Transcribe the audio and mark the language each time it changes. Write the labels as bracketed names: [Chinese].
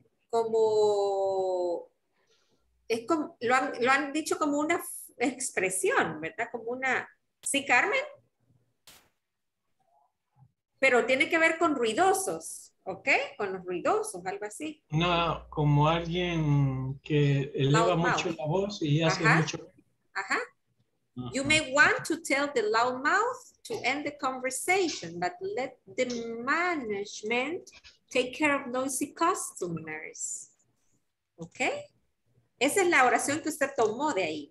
[Spanish] Como es como lo han dicho como una expresión, ¿verdad? Como una. ¿Sí, Carmen? Pero tiene que ver con ruidosos, ¿ok? Con los ruidosos, algo así. No, como alguien que eleva mucho la voz y hace mucho. Ajá. [English] You may want to tell the loud mouth to end the conversation, but let the management take care of noisy customers. [Spanish] ¿Ok? Esa es la oración que usted tomó de ahí.